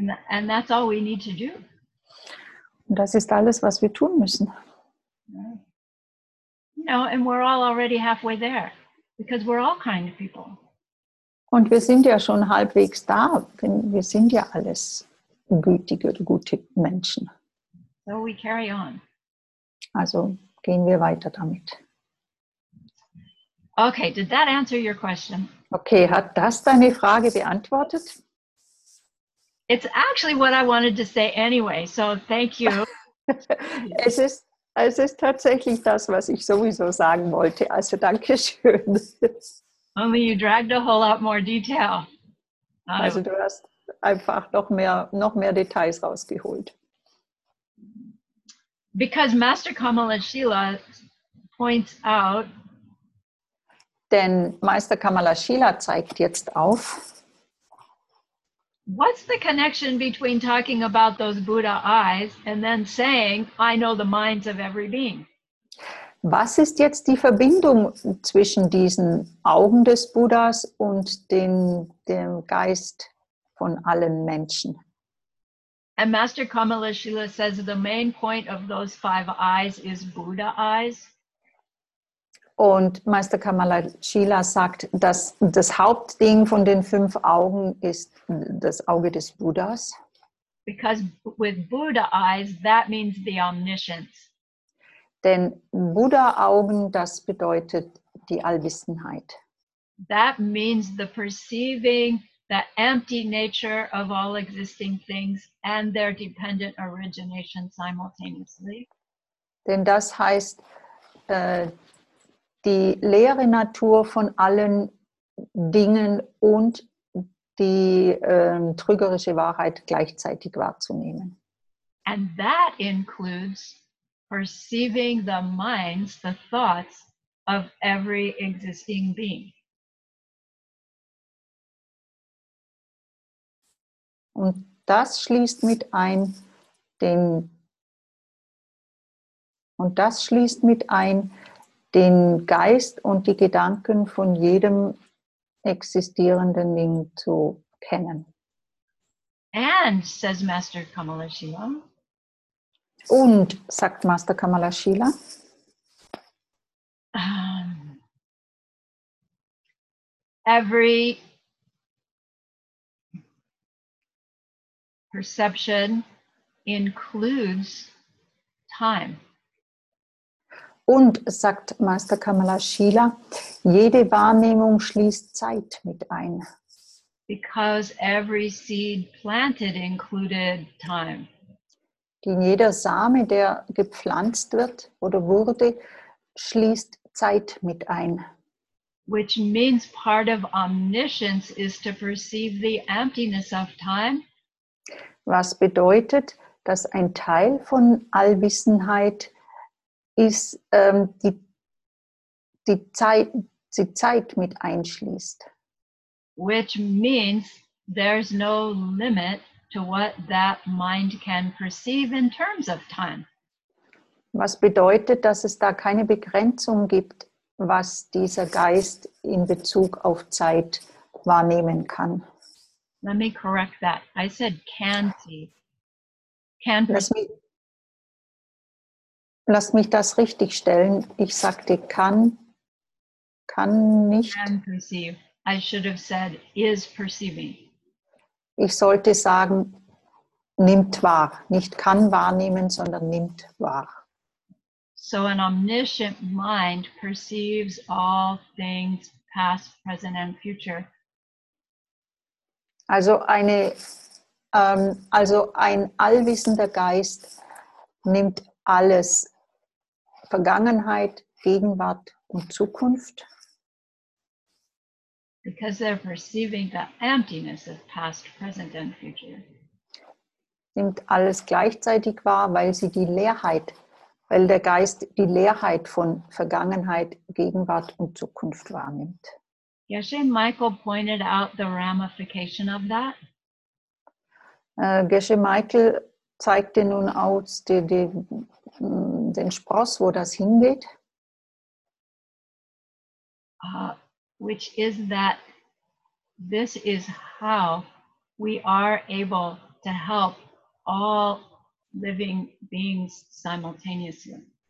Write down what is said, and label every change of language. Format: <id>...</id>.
<en>And that's all we need to do.</en> <de>Und das ist alles, was wir tun müssen.</de> <en>You know, and we're all already halfway there, because we're all kind people.</en> <de>Und wir sind ja schon halbwegs da, denn wir sind ja alles gütige, gute Menschen.</de> <en>So we carry on.</en> <de>Also gehen wir weiter damit.</de> <en>Okay, did that answer your question?</en> <de>Okay, hat das deine Frage beantwortet?</de> <en>It's actually what I wanted to say anyway, so thank you.</en> <de>Es ist tatsächlich das, was ich sowieso sagen wollte, also danke schön.</de> <en>Only you dragged a whole lot more detail.</en> <de>Also du hast einfach noch mehr Details rausgeholt.</de> <en>Because Master Kamala Shila points out.</en> <de>Denn Meister Kamala Shila zeigt jetzt auf.</de> <en>What's the connection between talking about those Buddha eyes and then saying, I know the minds of every being?</en> <de>Was ist jetzt die Verbindung zwischen diesen Augen des Buddhas und dem Geist von allen Menschen?</de> <en>And Master Kamala Shila says the main point of those five eyes is Buddha eyes.</en> <de>Und Meister Kamala Shila sagt, dass das Hauptding von den fünf Augen ist das Auge des Buddhas.</de> <en>Because with Buddha eyes, that means the omniscience.</en> <de>Denn Buddha-Augen, das bedeutet die Allwissenheit.</de> <en>That means the perceiving the empty nature of all existing things and their dependent origination simultaneously.</en> <de>Denn das heißt, die leere Natur von allen Dingen und die trügerische Wahrheit gleichzeitig wahrzunehmen.</de> <en>And that includes perceiving the minds, the thoughts of every existing being.</en> <de>Und das schließt mit ein den Geist und die Gedanken von jedem existierenden Ding zu kennen.</de> <en>And says Master Kamala Shila.</en> <de>Und sagt Master Kamala Shila.</de> <en>Every perception includes time.</en> <de>Und sagt Meister Kamala Shila, jede Wahrnehmung schließt Zeit mit ein.</de> <en>Because every seed planted included time.</en> <de>Denn jeder Same, der gepflanzt wird oder wurde, schließt Zeit mit ein.</de> <en>Which means part of omniscience is to perceive the emptiness of time.</en> <de>Was bedeutet, dass ein Teil von Allwissenheit ist, die Zeit mit einschließt.</de> <en>Which means there's no limit to what that mind can perceive in terms of time.</en> <de>Was bedeutet, dass es da keine Begrenzung gibt, was dieser Geist in Bezug auf Zeit wahrnehmen kann.</de> <en>Let me correct that. I said can see. Can perceive.</en> <de>Lass mich das richtig stellen. Ich sagte kann nicht.</de> <en>Can perceive. I should have said is perceiving.</en> <de>Ich sollte sagen, nimmt wahr. Nicht kann wahrnehmen, sondern nimmt wahr.</de> <en>So an omniscient mind perceives all things past, present and future.</en> <de>Also ein allwissender Geist nimmt alles, Vergangenheit, Gegenwart und Zukunft.</de> <en>Because they're perceiving the emptiness of past, present and future.</en> <de>Nimmt alles gleichzeitig wahr, weil der Geist die Leerheit von Vergangenheit, Gegenwart und Zukunft wahrnimmt.</de> <en>Geshe-Michael Michael pointed out the ramification of that.</en> <de>Geshe-Michael zeigte nun aus den Spross, wo das hingeht.</de> <en>Which is that this is how we are able to help all living beings simultaneously.</en>